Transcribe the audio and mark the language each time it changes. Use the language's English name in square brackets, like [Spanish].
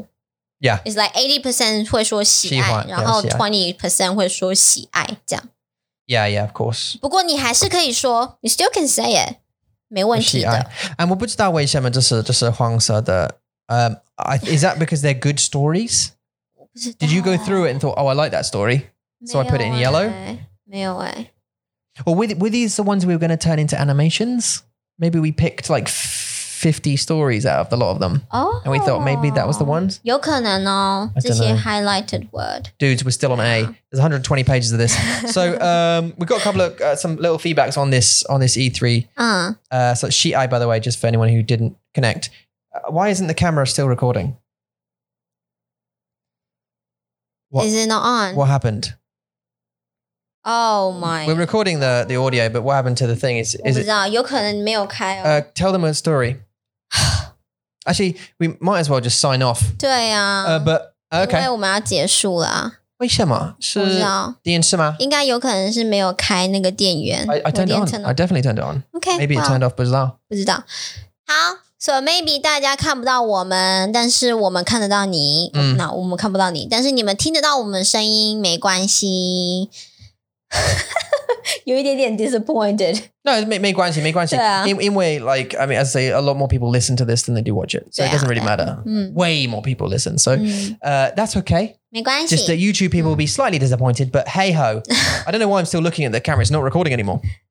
[English] Mm-hmm. Yeah. It's like 80% [Chinese] 会说喜爱喜欢然后 20% 会说喜爱这样。 [English] Yeah, yeah, of course. [Chinese] 不过你还是可以说 [English] you still can say it. [Chinese] 没问题的。 And 我不知道为什么这是黄色的。 [English] Is that because they're good stories? [Chinese] 我不知道。 [English] Did you go through it and thought, oh, I like that story? So I put it in yellow? [Chinese] 没有哎。 [English] Well, were these the ones we were going to turn into animations? Maybe we picked like... 50 stories out of the lot of them. Oh, and we thought maybe that was the one. [Chinese] 有可能哦这些 [English] highlighted word. Dudes, we're still on A. There's 120 pages of this. So we've got a couple of some little feedbacks on this E3. So she eye, by the way, just for anyone who didn't connect. Why isn't the camera still recording? What, Is it not on? What happened? Oh my. We're recording the audio, but what happened to the thing? Is [Chinese] it? 我不知道，有可能没有开哦。 [English] Tell them a story. Actually, we might as well just sign off. [Chinese] 对啊。 [English] But, okay. [Chinese] 因为我们要结束了啊。为什么？是电视吗？应该有可能是没有开那个电源。 [English] I turned it on. I definitely turned it on. Okay. Maybe it turned off, [Chinese] 不知道。不知道。好。 [English] So maybe [Chinese] 大家看不到我们，但是我们看得到你。那我们看不到你，但是你们听得到我们声音，没关系。有一点点 disappointed. [English] No, [Chinese] 没关系、啊、 [English] 因为 like, I mean, as I say, a lot more people listen to this than they do watch it. So、啊、 it doesn't really matter.、嗯、 Way more people listen. So、嗯、that's okay. [Chinese] 没关系。 [English] Just the YouTube people、嗯、will be slightly disappointed, but hey ho. I don't know why I'm still looking at the camera. It's not recording anymore.